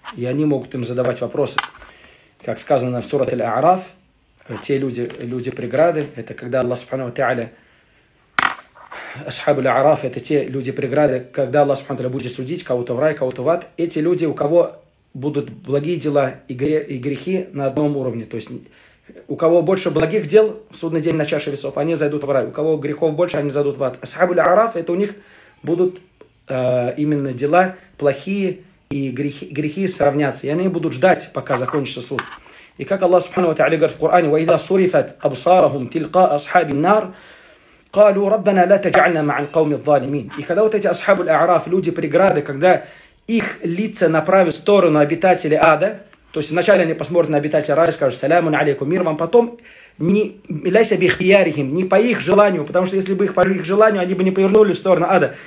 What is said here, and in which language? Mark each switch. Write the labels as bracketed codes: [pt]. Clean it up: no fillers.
[ru] И они могут им задавать вопросы. Как сказано в сурат Аль-А'раф, те люди, люди-преграды, это когда Аллах Субхану Ва Та'аля, асхаб Аль-А'раф, это те люди-преграды, когда Аллах Субхану Ва Та'аля будет судить кого-то в рай, кого-то в ад, эти люди, у кого будут благие дела и грехи на одном уровне. То есть у кого больше благих дел, судный день на чаше весов, они зайдут в рай. У кого грехов больше, они зайдут в ад. Асхаб Аль-А'раф, это у них будут именно дела плохие, и грехи, грехи сравнятся. И они будут ждать, пока закончится суд. И как Аллах Субхану ва Тааля говорит в Коране, [ar] وَإِذَا صُرِفَتْ أَبْصَارَهُمْ تِلْقَى أَصْحَابِ النَّارِ قَالُوا رَبَّنَا لَا تَجْعَلْنَا مَعَ الْقَوْمِ الظَّالِمِينَ. [ru] И когда вот эти асхабы аль-а'раф, люди преграды, когда их лица направят в сторону обитателей ада, то есть вначале они посмотрят на обитателя рая и скажут «Саляму алейкум, мир вам», потом не «Ляйся бихиярихим», не по их желанию, потому что если бы их по их желанию, они бы не повернули в сторону ада.